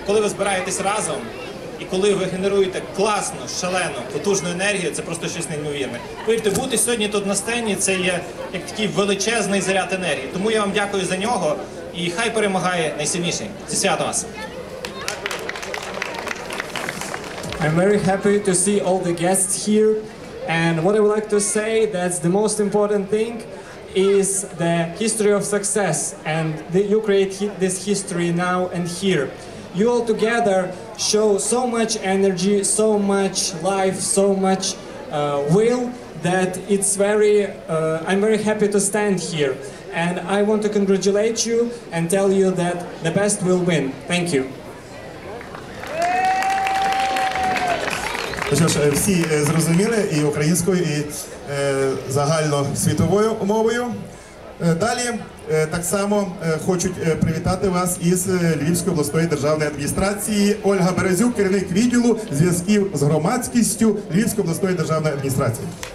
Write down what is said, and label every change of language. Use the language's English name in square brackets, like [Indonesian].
[Ukrainian] Коли ви збираєтесь разом, і коли ви генеруєте класну, шалену, потужну енергію, це просто щось неймовірне. Повірте, бути сьогодні тут на сцені – це є як такий величезний заряд енергії. Тому я вам дякую за нього, і хай перемагає найсильніший. Зі святом вас! [English] I'm very happy to see all the guests here. And what I would like to say, that's the most important thing, is the history of success. And you create this history now and here. You all together show so much energy, so much life, so much will that it's very, I'm very happy to stand here. And I want to congratulate you and tell you that the best will win. Thank you. [Ukrainian] Що ж, всі зрозуміли і українською, і загальносвітовою мовою. Далі так само хочуть привітати вас із Львівської обласної державної адміністрації. Ольга Березюк, керівник відділу зв'язків з громадськістю Львівської обласної державної адміністрації.